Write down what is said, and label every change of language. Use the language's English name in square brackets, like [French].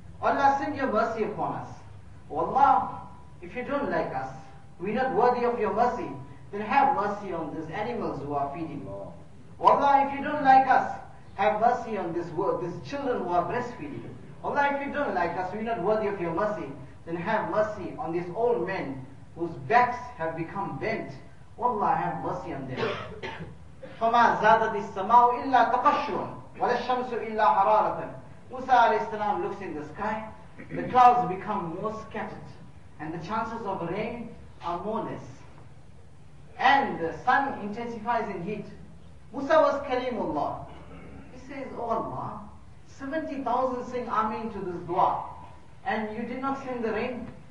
[English] Allah, send Your mercy upon us. Wallah, if you don't like us, we're not worthy of your mercy, then have mercy on these animals who are feeding. Wallah, if you don't like us, have mercy on this world, these children who are breastfeeding. Wallah, if you don't like us, we're not worthy of your mercy, then have mercy on these old men whose backs have become bent. Wallah, have mercy on them. [Arabic] فَمَا زَادَتِ السَّمَاءُ إِلَّا تَقَشُّرًا وَلَا الشَّمْسُ إِلَّا حَرَارَةً [English] Musa alayhi salam looks in the sky. The clouds become more scattered and the chances of rain are more less. And the sun intensifies in heat. Musa was Kalimullah. He says, Oh Allah, 70,000 sing Ameen to this dua and you did not send the rain.